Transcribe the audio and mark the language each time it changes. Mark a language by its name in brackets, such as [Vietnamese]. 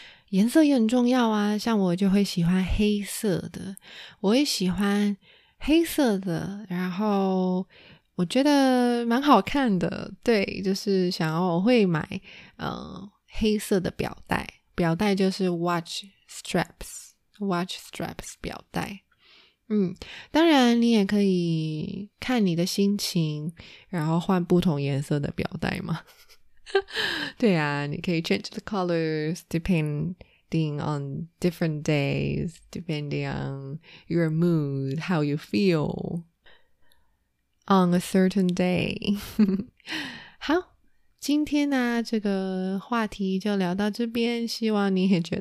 [Chinese] 颜色也很重要啊，像我就会喜欢黑色的，我也喜欢黑色的，然后我觉得蛮好看的，对，就是想要我会买黑色的表带，表带就是 [English] watch straps [Chinese] 表带。当然你也可以看你的心情然后换不同颜色的表带嘛。对啊，你可以 [English] change the colors depending on different days, depending on your mood, how you feel on a certain day. [Chinese] 好，今天呢、啊、这个话题就聊到这边，希望你也觉得很有趣啦。那我们就下次再见咯，